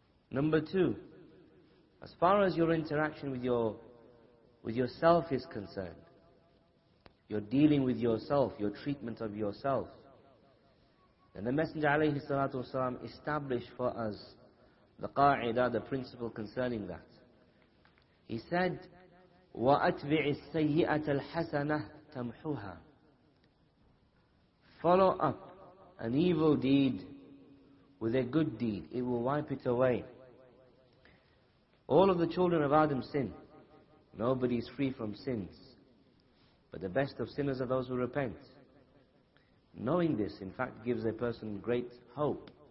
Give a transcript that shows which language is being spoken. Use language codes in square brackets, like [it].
[en] Number two, as far as your interaction with yourself is concerned, you're dealing with yourself, your treatment of yourself. And the Messenger alayhi salatu wasalam established for us the qa'idah, the principle concerning that. [ar] He said, وَأَتْبِعِ السَّيِّئَةَ الْحَسَنَةَ تَمْحُوهَا. [en] Follow up an evil deed with a good deed, it will wipe it away. All of the children of Adam sin. Nobody is free from sins. But the best of sinners are those who repent. Knowing this, in fact, gives a person great hope.